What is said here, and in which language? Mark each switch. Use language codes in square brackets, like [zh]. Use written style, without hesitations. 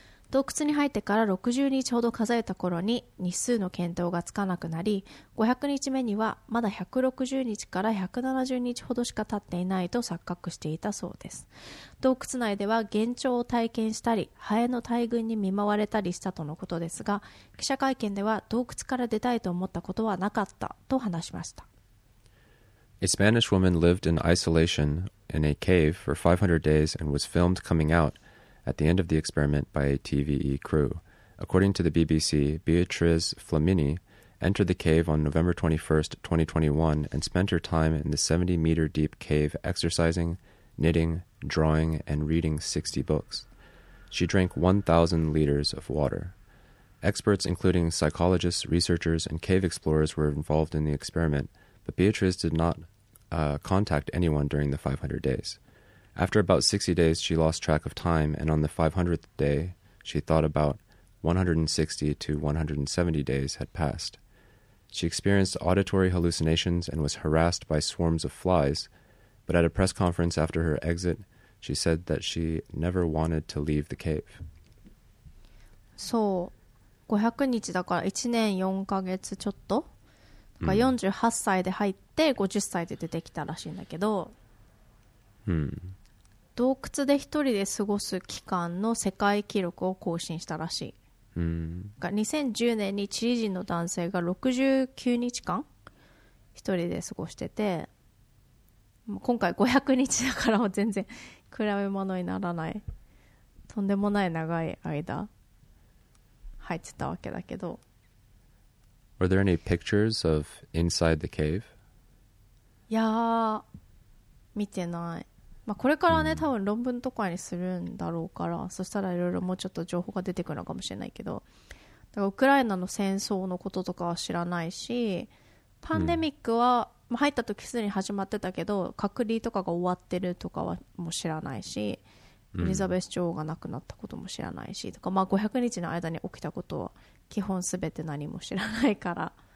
[ja] 洞窟に入ってから60日ほど数えた頃に日数の見当がつかなくなり、500日目にはまだ160日から170日ほどしか経っていないと錯覚していたそうです。洞窟内では幻聴を体験したりハエの大群に見舞われたりしたとのことですが、記者会見では洞窟から出たいと思ったことはなかったと話しました。 [en] A Spanish woman lived in isolation in a cave for 500 days and was filmed coming outat the end of the experiment by a TVE crew. According to the BBC, Beatriz Flamini entered the cave on November 21st, 2021 and spent her time in the 70-meter deep cave exercising, knitting, drawing, and reading 60 books. She drank 1,000 liters of water. Experts, including psychologists, researchers, and cave explorers, were involved in the experiment, but Beatriz did not contact anyone during the 500 days. After about 60 days, she lost track of time, and on the 500th day, she thought about 160 to 170 days had passed. She experienced auditory hallucinations and was harassed by swarms of flies, but at a press conference after her exit, she said that she never wanted to leave the cave. [ja] So, 500日だから1年4ヶ月ちょっと、だから48歳で入って50歳で出てきたらしいんだけど。洞窟で一人で過ごす期間の世界記録を更新したらしい。 2010年にチリ人の男性が69日間一人で過ごしてて、今回500日だから全然比べ物にならない、とんでもない長い間入ってたわけだけど。 [en] Were there any pictures of inside the cave? [ja] いやー、見てない。まあ、これからね、多分論文とかにするんだろうから、そしたらいろいろもうちょっと情報が出てくるのかもしれないけど、だからウクライナの戦争のこととかは知らないし、パンデミックは、まあ、入った時すでに始まってたけど隔離とかが終わってるとかはもう知らないし、エリザベス女王が亡くなったことも知らないしとか、まあ、500日の間に起きたことは基本すべて何も知らないから、